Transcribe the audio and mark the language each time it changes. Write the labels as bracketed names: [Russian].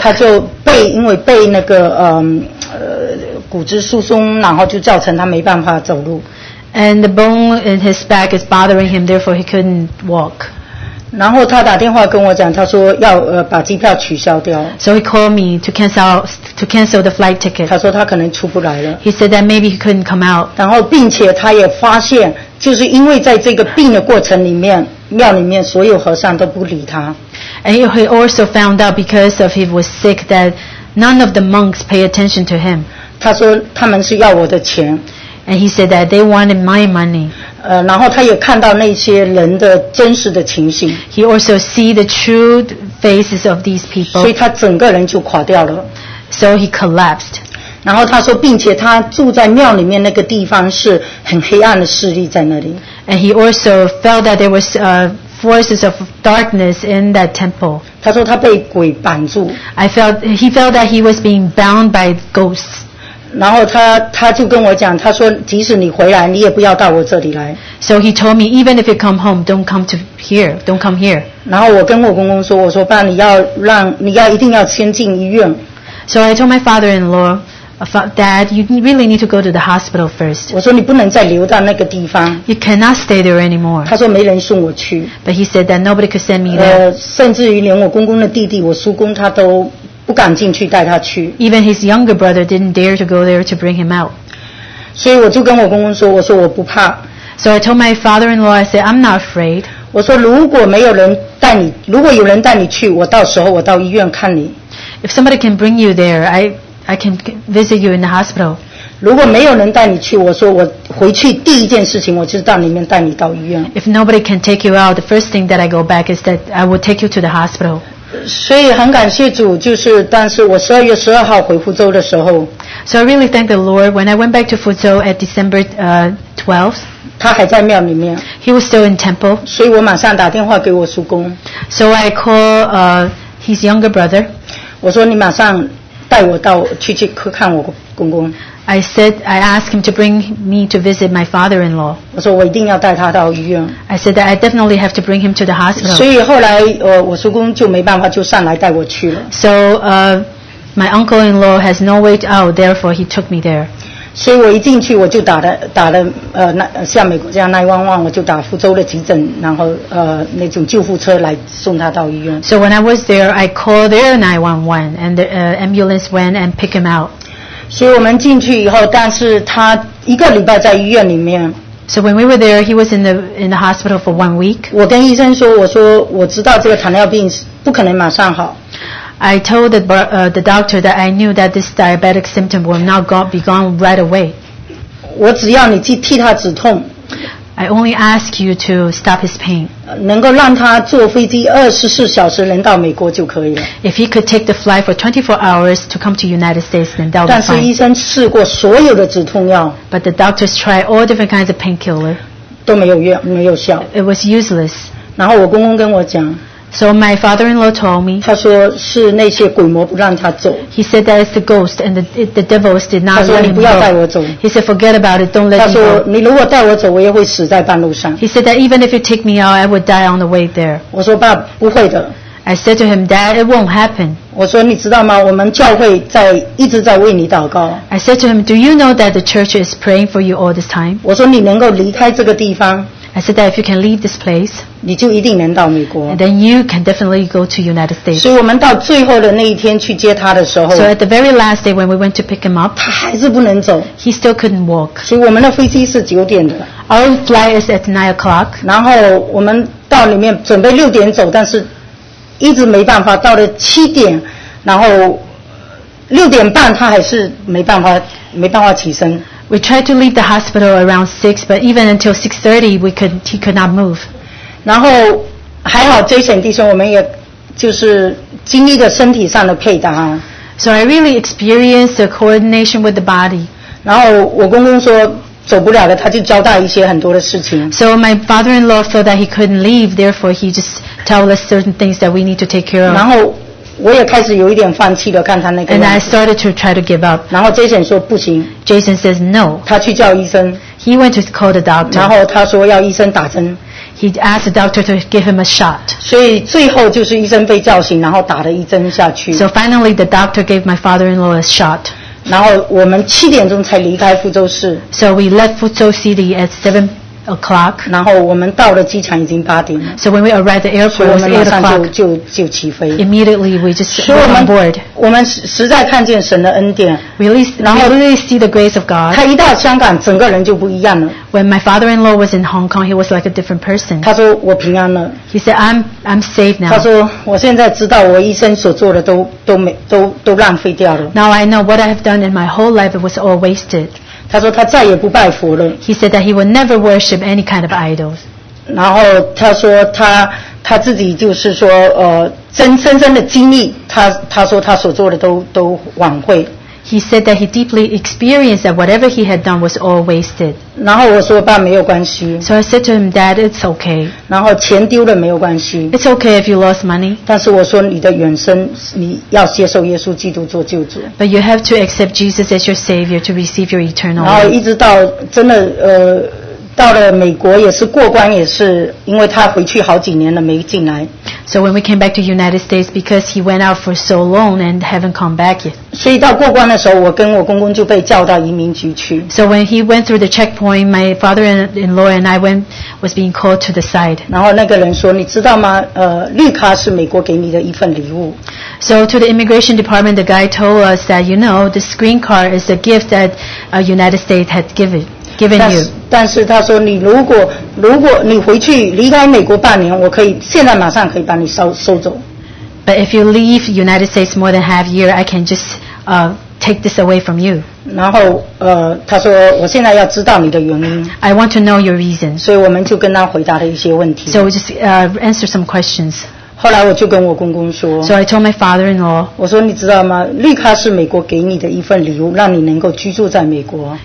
[Chinese] 他就背因为背那个骨质疏松，然后就造成他没办法走路。 [English] And the bone in his back is bothering him, therefore he couldn't walk. [Chinese] 然后他打电话跟我讲，他说要把机票取消掉。 [English] So he called me to cancel the flight ticket. [Chinese] 他说他可能出不来了。 [English] He said that maybe he couldn't come out. [Chinese] 然后并且他也发现，就是因为在这个病的过程里面。庙里面所有和尚都不理他。 [English] And he also found out because of he was sick that none of the monks pay attention to him. [Chinese] 他说他们是要我的钱。 [English] And he said that they wanted my money. [Chinese] 然后他也看到那些人的真实的情形。 [English] He also see the true faces of these people. [Chinese] 所以他整个人就垮掉了。 [English] So he collapsed. [Chinese] 然后他说，并且他住在庙里面那个地方是很黑暗的势力在那里。 [English] And he also felt that there was forces of darkness in that temple. [Chinese] 他说他被鬼绑住。 [English] He felt that he was being bound by ghosts. [Chinese] 然后他就跟我讲，他说即使你回来，你也不要到我这里来。 [English] So he told me, even if you come home, don't come to here. Don't come here. [Chinese] 然后我跟我公公说，我说爸，你要一定要先进医院。 [English] So I told my father-in-law, Dad, you really need to go to the hospital first. [Chinese] 我说你不能再留到那个地方。 [English] You cannot stay there anymore. [Chinese] 他说没人送我去。 [English] But he said that nobody could send me there. [Chinese] 甚至于连我公公的弟弟，我叔公，他都不敢进去带他去。 [English] Even his younger brother didn't dare to go there to bring him out. [Chinese] 所以我就跟我公公说，我说我不怕。 [English] So I told my father-in-law, I said, I'm not afraid. [Chinese] 我说如果没有人带你，如果有人带你去，我到时候我到医院看你。 [English] If somebody can bring you there, I can visit you in the hospital. [Chinese] 如果没有人带你去，我说我回去第一件事情，我就是到里面带你到医院。 [English] If nobody can take you out, the first thing that I go back is that I will take you to the hospital. [Chinese] 所以很感谢主，就是但是我12月12号回福州的时候。 [English] So I really thank the Lord when I went back to Fuzhou at December 12th. [Chinese] 他还在庙里面。 [English] He was still in temple. [Chinese] 所以我马上打电话给我叔公。 [English] So I call his younger brother. [Chinese] 我说你马上带我到去看我公公。 [English] I asked him to bring me to visit my father-in-law. [Chinese] 我说我一定要带他到医院。 [English] I said that I definitely have to bring him to the hospital. [Chinese] 所以后来我叔公就没办法就上来带我去了。 [English] So my uncle-in-law has no way out, therefore he took me there. [Chinese] 所以我一进去我就打了像美国这样911，我就打福州的急诊，然后那种救护车来送他到医院。 [English] So when I was there, I called their 911 and the ambulance went and picked him out. [Chinese] 所以我们进去以后，但是他一个礼拜在医院里面。 [English] So when we were there, he was in the hospital for 1 week. [Chinese] 我跟医生说，我说我知道这个糖尿病不可能马上好。 [English] I told the doctor that I knew that this diabetic symptom will not be gone right away. [Chinese] 我只要你替他止痛。 [English] I only ask you to stop his pain. [Chinese] 能够让他坐飞机24小时能到美国就可以了。 [English] If he could take the flight for 24 hours to come to United States, then that would be fine. [Chinese] 但是医生试过所有的止痛药。 [English] But the doctors tried all different kinds of painkiller. [Chinese] 都没有效。 [English] It was useless. [Chinese] 然后我公公跟我讲。 [English] So my father-in-law told me. [Chinese] 他说是那些鬼魔不让他走。 [English] He said that it's the ghost and the devils did not let him go. [Chinese] 他说你不要带我走。 [English] He said forget about it, don't let him go. [Chinese] 他说你如果带我走，我也会死在半路上。 [English] He said that even if you take me out, I would die on the way there. [Chinese] 我说爸，不会的。 [English] I said to him, Dad, it won't happen. [Chinese] 我说你知道吗？我们教会一直在为你祷告。 [English] I said to him, Do you know that the church is praying for you all this time? [Chinese] 我说你能够离开这个地方。 [English] I said that if you can leave this place, [Chinese] 你就一定能到美国。 [English] Then you can definitely go to United States. [Chinese] 所以我们到最后的那一天去接他的时候， [English] So at the very last day when we went to pick him up, [Chinese] 他还是不能走。 [English] He still couldn't walk. [Chinese] 所以我们的飞机是九点的。 [English] Our flight is at 9 o'clock. [Chinese] 然后我们到里面准备6点走，但是一直没办法。到了7点，然后6点半他还是没办法起身。 [English] We tried to leave the hospital around 6, but even until 6:30, he could not move. [Chinese] 然后还好 Jason 弟兄，我们也就是经历了身体上的配搭。 [English] So I really experienced the coordination with the body. [Chinese] 然后我公公说走不了的，他就交代一些很多的事情。 [English] So my father-in-law felt that he couldn't leave, therefore he just told us certain things that we need to take care of. [Chinese] 然后我也开始有一点放弃了，看他那个。 [English] And I started to try to give up. [Chinese] 然后 Jason 说不行。 [English] Jason says no. [Chinese] 他去叫医生。 [English] He went to call the doctor. [Chinese] 然后他说要医生打针。 [English] He asked the doctor to give him a shot. [Chinese] 所以最后就是医生被叫醒，然后打了一针下去。 [English] So finally the doctor gave my father-in-law a shot. [Chinese] 然后我们7点钟才离开福州市。 [English] So we left Fuzhou City at 7 8 o'clock. [Chinese] 然后我们到了机场已经八点了。 [English] So when we arrived at the airport, [Chinese] 我们马上就起飞。 [English] Immediately we just went on board. [Chinese] 我们实在看见神的恩典。 [English] Really see the grace of God. [Chinese] 他一到香港，整个人就不一样了。 [English] When my father-in-law was in Hong Kong, he was like a different person. [Chinese] 他说我平安了。 [English] He said I'm safe now. [Chinese] 他说我现在知道我一生所做的都浪费掉了。 [English] Now I know what I have done in my whole life. It was all wasted. [Chinese] 他说他再也不拜佛了。 [English] He said that he would never worship any kind of idols. [Chinese] 然后他说他自己就是说真正的经历，他说他所做的都枉费。 [English] He said that he deeply experienced that whatever he had done was all wasted. [Chinese] 然后我说爸没有关系。 [English] So I said to him, Dad, it's okay. [Chinese] 然后钱丢了没有关系。 [English] It's okay if you lost money. [Chinese] 但是我说你的永生，你要接受耶稣基督做救主。 [English] But you have to accept Jesus as your Savior to receive your eternal life. [Chinese] 然后一直到真的到了美国也是过关也是因为他回去好几年了没进来。 [English] So when we came back to United States because he went out for so long and haven't come back yet. [Chinese] 所以到过关的时候我跟我公公就被叫到移民局去。 [English] So when he went through the checkpoint, my father-in-law and I was being called to the side. [Chinese] 然后那个人说你知道吗绿卡是美国给你的一份礼物。 [English] So to the immigration department, the guy told us that, you know, this green card is a gift that United States had given you. [Chinese] 但是他说你如果你回去离开美国半年我可以现在马上可以把你收走。 [English] But if you leave United States more than half a year, I can just take this away from you. [Chinese] 然后他说我现在要知道你的原因。 [English] I want to know your reason. [Chinese] 所以我们就跟他回答了一些问题。 [English] So we just answer some questions. [Chinese] 后来我就跟我公公说 [English] So I told my father-in-law [Chinese] 我说你知道吗绿卡是美国给你的一份礼物让你能够居住在美国